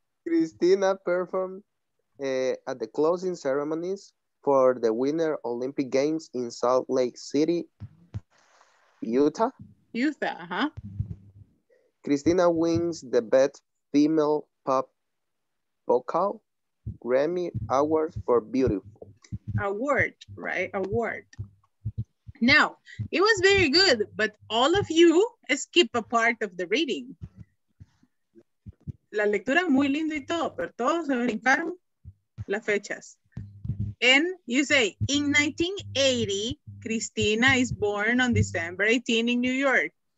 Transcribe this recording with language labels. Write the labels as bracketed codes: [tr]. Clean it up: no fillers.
[en] Christina performed at the closing ceremonies for the Winter Olympic Games in Salt Lake City, Utah, Christina wins the best female pop vocal Grammy Award for Beautiful. Award, right? Award. Now, it was very good, but all of you skip a part of the reading. [es] La lectura muy lindo y todo, pero todos se brincaron las fechas. [en] And you say, in 1980, Cristina is born on December 18 in New York.